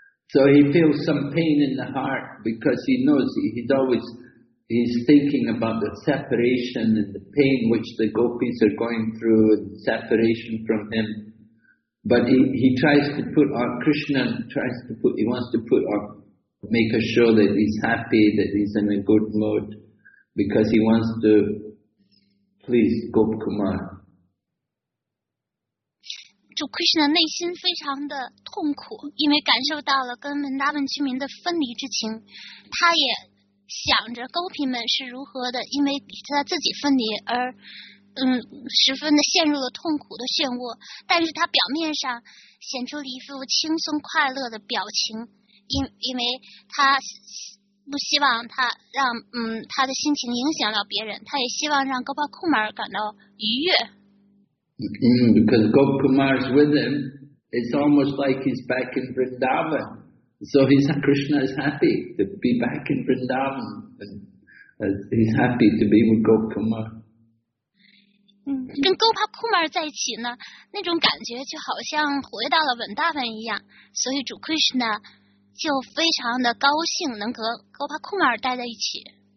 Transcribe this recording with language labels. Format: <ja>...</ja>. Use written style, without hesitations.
<en>So he feels some pain in the heart because he knows he's thinking about the separation and the pain which the gopis are going through and separation from him. But he tries to put on, Krishna tries to put, he wants to put on, make a show that he's happy, that he's in a good mood, because he wants to please Gop Kumar.</en> <zh>主 Krishna 内心非常的痛苦，因为感受到了跟文达文居民的分离之情，他也想着勾皮们是如何的，因为他自己分离而十分的陷入了痛苦的漩涡，但是他表面上显出了一副轻松快乐的表情，因为他不希望他让他的心情影响到别人，他也希望让 Gopa Kumar 感到愉悦。</zh> <en>Because Gopa Kumar is with him, it's almost like he's back in Vrindavan. So Krishna is happy to be back in Vrindavan. He's happy to be with Gopa Kumar.</en> <zh>跟 Gopa Kumar 在一起呢，那种感觉就好像回到了文大本一样，所以主 Krishna 就非常的高兴能和 Gopa Kumar 待在一起。</zh>